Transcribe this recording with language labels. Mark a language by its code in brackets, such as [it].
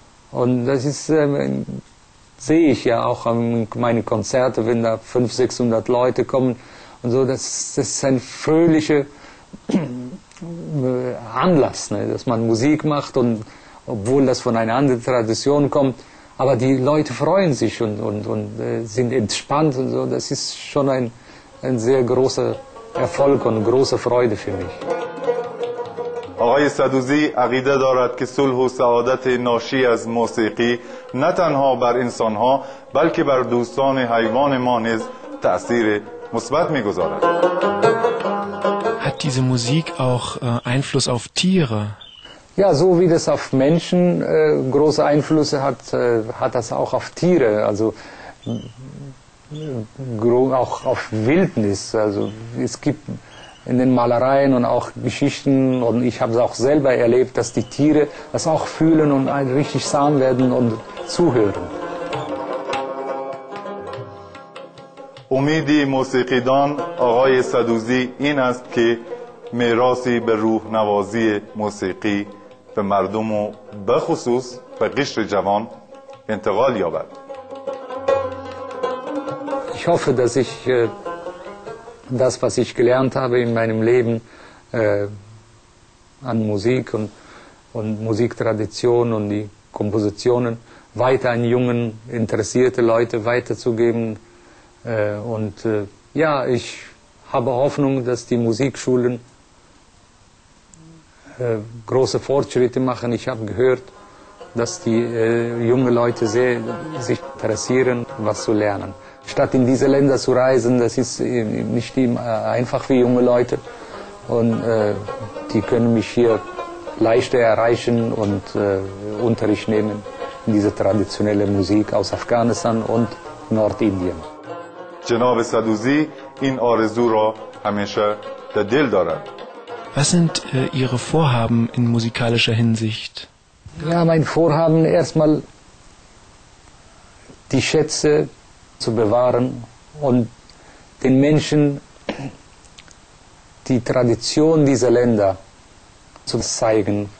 [de] Und das sehe ich ja auch an meinen Konzerten, wenn da 500, 600 Leute kommen und so, das ist ein fröhlicher Anlass, ne, dass man Musik macht, und obwohl das von einer anderen Tradition kommt, aber die Leute freuen sich und sind entspannt und so. Das ist schon ein sehr großer Erfolg und große Freude für mich. [fa] آقای صدوزی عقیده دارد که صلح و سعادت ناشی از موسیقی نه تنها بر انسان‌ها بلکه بر دوستان حیوان ما نیز تأثیر مثبت می‌گذارد. [de] Hat diese Musik auch Einfluss auf Tiere? Ja, so wie das auf Menschen große Einflüsse hat, hat das auch auf Tiere, also auch auf Wildnis. Also es gibt in den Malereien und auch Geschichten, und ich habe es auch selber erlebt, dass die Tiere das auch fühlen und richtig sahen werden und zuhören. [fa] امیدی موسیقیدان آقای صدوزی این است که میراثی به روح نوازی موسیقی به مردم و به خصوص به قشر جوان انتقال یابد. [de] Ich hoffe, dass ich das, was ich gelernt habe in meinem Leben an Musik und Musiktradition und die Kompositionen weiter an jungen interessierte Leute weiterzugeben. Und ja, ich habe Hoffnung, dass die Musikschulen große Fortschritte machen. Ich habe gehört, dass die jungen Leute sehr sich interessieren, was zu lernen. Statt in diese Länder zu reisen, das ist nicht einfach für junge Leute. Und die können mich hier leichter erreichen und Unterricht nehmen in diese traditionelle Musik aus Afghanistan und Nordindien. [fa] جناب صدوزی این آرزو را همیشه در دل دارد. [de] Was sind Ihre Vorhaben in musikalischer Hinsicht? Ja, mein Vorhaben erstmal, die Schätze zu bewahren und den Menschen die Tradition dieser Länder zu zeigen.